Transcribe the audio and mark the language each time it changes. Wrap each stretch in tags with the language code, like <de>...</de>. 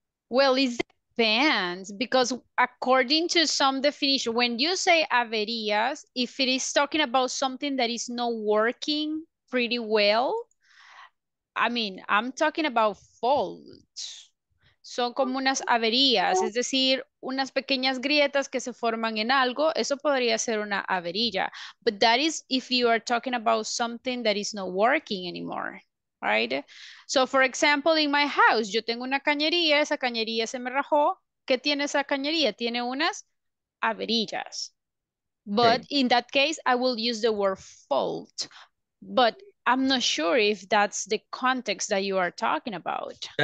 <en>Well, it depends because according to some definition, when you say averías, if it is talking about something that is not working pretty well, I mean, I'm talking about faults.</en> <es>Son como unas averías, es decir, unas pequeñas grietas que se forman en algo, eso podría ser una averilla.</es> <en>But that is if you are talking about something that is not working anymore. Right. So, for example, in my house,</en> <es>yo tengo una cañería, esa cañería se me rajó. ¿Qué tiene esa cañería? Tiene unas averillas.</es> <en>But okay. In that case, I will use the word fault. But I'm not sure if that's the context that you are talking about.</en>